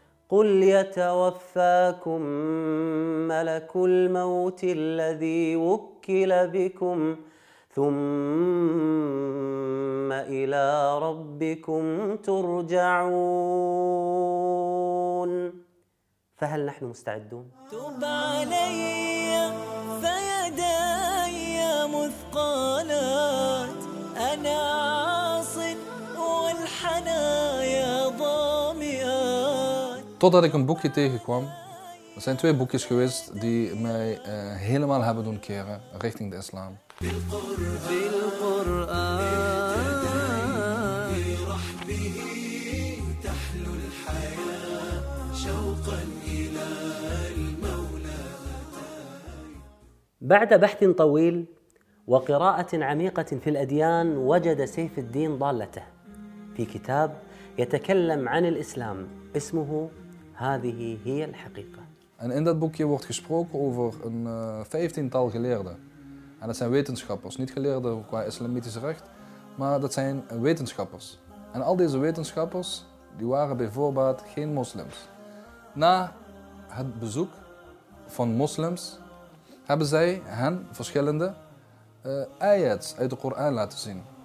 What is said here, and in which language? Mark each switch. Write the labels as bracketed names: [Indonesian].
[Arabic] قل يتوفاكم ملك الموت الذي وكل بكم ثم إلى ربكم ترجعون. فهل نحن مستعدون؟ تب علي فيداي مثقالات أنا عاص والحنايا ضامئات. [Dutch] Totdat ik een boekje tegenkwam. Er zijn twee boekjes geweest die mij helemaal hebben doen keren richting de islam. [Arabic] بعد بحث طويل وقراءة عميقة في الأديان وجد سيف الدين ضالته في كتاب يتكلم عن الإسلام اسمه هذه هي الحقيقة. [Dutch] En in dat boekje wordt gesproken over een vijftiental geleerden. En dat zijn wetenschappers, niet geleerden qua islamitisch recht, maar dat zijn wetenschappers. En al deze wetenschappers, die waren bij voorbaat geen moslims. Na het bezoek van moslims, hebben zij hen, verschillende, ayats uit de Koran laten zien.